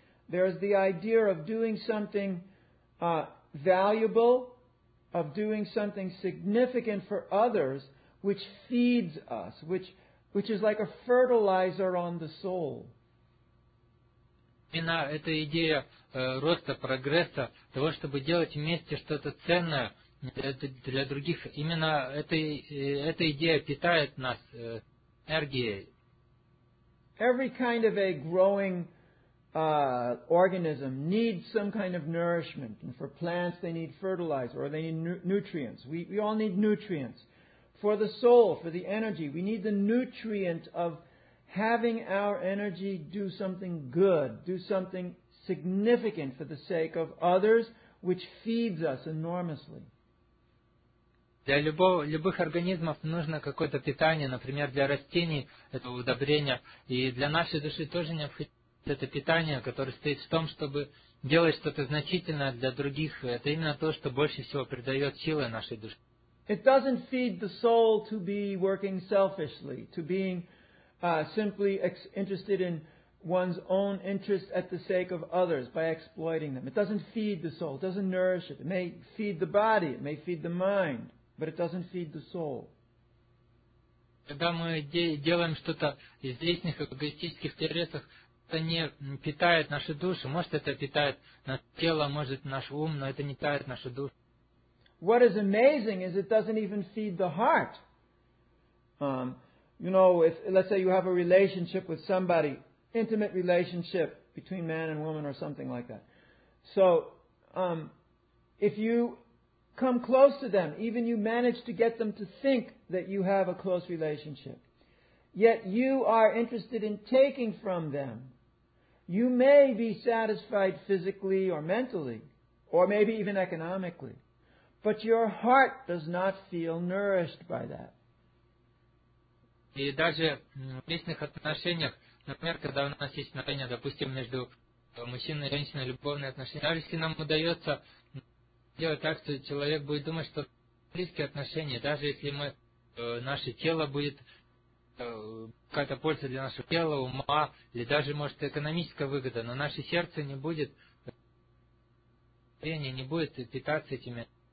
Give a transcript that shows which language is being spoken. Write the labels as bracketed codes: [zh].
[en] There is the idea of doing something valuable, of doing something significant for others, which feeds us, which is like a fertilizer on the soul. [ru] Именно эта идея роста, прогресса, того, чтобы делать вместе что-то ценное для других, именно эта идея питает нас энергией. [en] Every kind of a growing organism needs some kind of nourishment. And for plants, they need fertilizer, or they need nutrients. We all need nutrients. For the soul, for the energy, we need the nutrient of having our energy do something good, do something significant for the sake of others, which feeds us enormously. [ru] Для любых организмов нужно какое-то питание, например, для растений это удобрение, и для нашей души тоже необходимо это питание, которое стоит в том, чтобы делать что-то значительное для других. Это именно то, что больше всего придает силы нашей душе. [en] It doesn't feed the soul to be working selfishly, to being simply interested in one's own interest at the sake of others by exploiting them. It doesn't feed the soul, it doesn't nourish it. It may feed the body, it may feed the mind, but it doesn't feed the soul. [ru] Когда мы делаем что-то из личных эгоистических интересов, это не питает нашу душу. Может, это питает наше тело, может, наш ум, но это не питает нашу душу. [en] What is amazing is it doesn't even feed the heart. You know, if let's say you have a relationship with somebody, intimate relationship between man and woman or something like that. So, if you come close to them, even you manage to get them to think that you have a close relationship, yet you are interested in taking from them, you may be satisfied physically or mentally, or maybe even economically. But your heart does not feel nourished by that. [ru] И даже в личных отношениях, например, когда у нас есть отношения, допустим, между мужчиной и женщиной, любовные отношения, даже если нам удается делать так, что человек будет думать, что близкие отношения, даже если мы, наше тело будет какая-то польза для нашего тела, ума, или даже, может, экономическая выгода, но наше сердце не будет, не будет питаться этими.